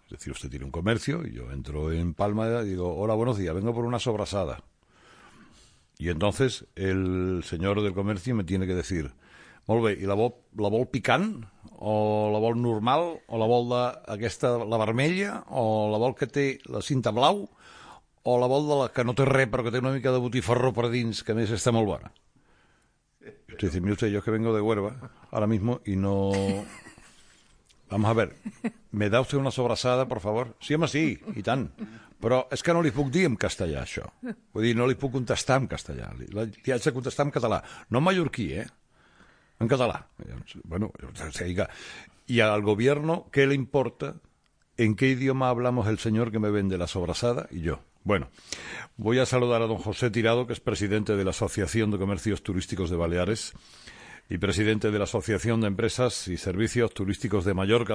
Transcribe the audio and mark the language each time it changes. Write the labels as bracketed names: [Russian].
[Spanish] Es decir, usted tiene un comercio y yo entro en Palma y digo, hola, buenos días, vengo por una sobrasada. Y entonces el señor del comercio me tiene que decir, [Catalan] molt bé, [Spanish] ¿y [Catalan] la vol picant? ¿O la vol normal? ¿O la vol de aquesta, la vermella? ¿O la vol que té la cinta blau? ¿O la vol de la que no té res però que té una mica de botifarró per dins, que a més està molt bona? [Spanish] Y usted dice, mire usted, yo es que vengo de Huerva ahora mismo y no... Vamos a ver, ¿me da usted una sobrasada, por favor? [Catalan] Sí, home, sí, i tant. Però és que no li puc dir en castellà, això. Vull dir, no li puc contestar en castellà. Li haig de contestar en català. No en mallorquí, eh? En català. Bueno, i al govern, què li importa? [Spanish] ¿En qué idioma hablamos el señor que me vende la sobrasada y yo? Bueno, voy a saludar a don José Tirado, que es presidente de la Asociación de Comercios Turísticos de Baleares y presidente de la Asociación de Empresas y Servicios Turísticos de Mallorca.